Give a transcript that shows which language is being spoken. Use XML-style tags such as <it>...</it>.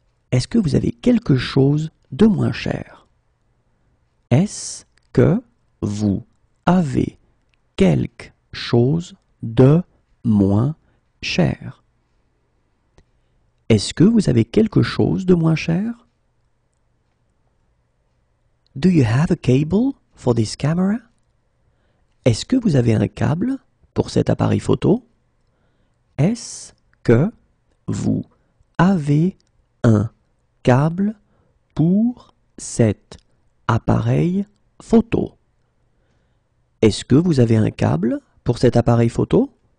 <fr>Est-ce que vous avez quelque chose de moins cher? Est-ce que vous avez quelque chose de moins cher? Est-ce que vous avez quelque chose de moins cher?</fr> <en>Do you have a cable for this camera?</en> <fr>Est-ce que vous avez un câble pour cet appareil photo? Est-ce que vous avez un câble pour cet appareil photo? Est-ce que vous avez un câble pour cet appareil photo?</fr>